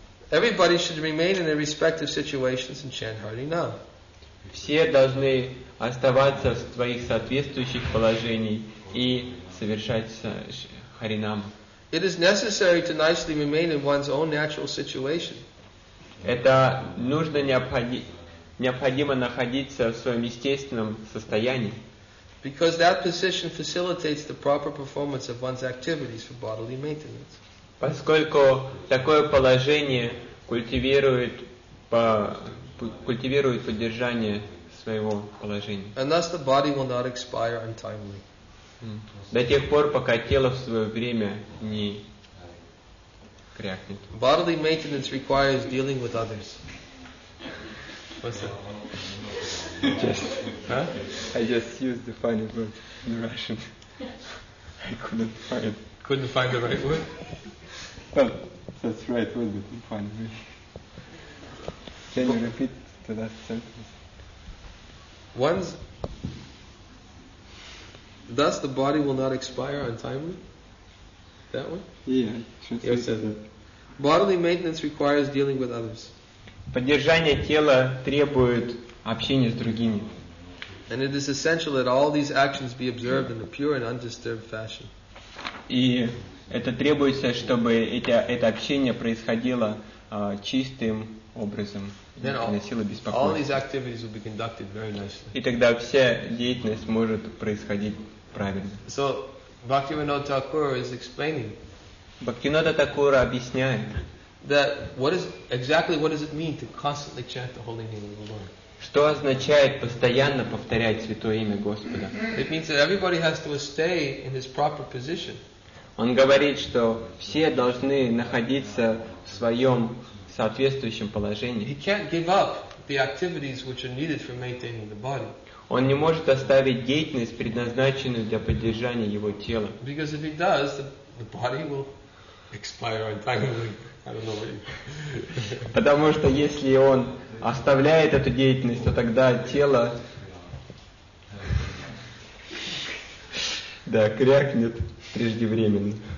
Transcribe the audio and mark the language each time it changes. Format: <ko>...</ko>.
<en>Everybody should remain in their respective situations and chant Hari Nam.</en> <ru>Все должны оставаться в своих соответствующих положениях и совершать харинам.</ru> <en>It is necessary to nicely remain in one's own natural situation.</en> <ru>Это нужно необходимо находиться в своем естественном состоянии.</ru> <en>Because that position facilitates the proper performance of one's activities for bodily maintenance.</en> <ru>Поскольку такое положение культивирует поддержание своего положения.</ru> <en>And thus the body will not expire untimely.</en> <ru>До тех пор, пока тело в свое время не крякнет.</ru> <en>Bodily maintenance requires dealing with others. What's that? I just used the funny word in Russian. I couldn't find the right word. Well, that's right word, but in funny way. Can you repeat the last sentence? Thus the body will not expire untimely. That one? Yeah. Said that. Bodily maintenance requires dealing with others.</en> <ru>Поддержание тела требует общения с другими.</ru> <en>And it is essential that all these actions be observed in a pure and undisturbed fashion.</en> <ru>И это требуется, чтобы это общение происходило чистым образом, не приносило беспокойства.</ru> <en>All these activities will be conducted very nicely.</en> <ru>И тогда вся деятельность может происходить правильно.</ru> <en>So, Bhaktivinoda Thakura is explaining.</en> <ru>Бхактивинода Такура объясняет.</ru> <en>That what does it mean to constantly chant the holy name of the Lord?</en> <ru>Что означает постоянно повторять святое имя Господа?</ru> <en>It means that everybody has to stay in his proper position.</en> <ru>Он говорит, что все должны находиться в своем соответствующем положении.</ru> <en>He can't give up the activities which are needed for maintaining the body.</en> <ru>Он не может оставить деятельность, предназначенную для поддержания его тела.</ru> <en>Because if he does, the body will expire untimely. I don't know what you...</en> <ru>Потому что если он оставляет эту деятельность, то тогда тело да, крякнет преждевременно.</ru>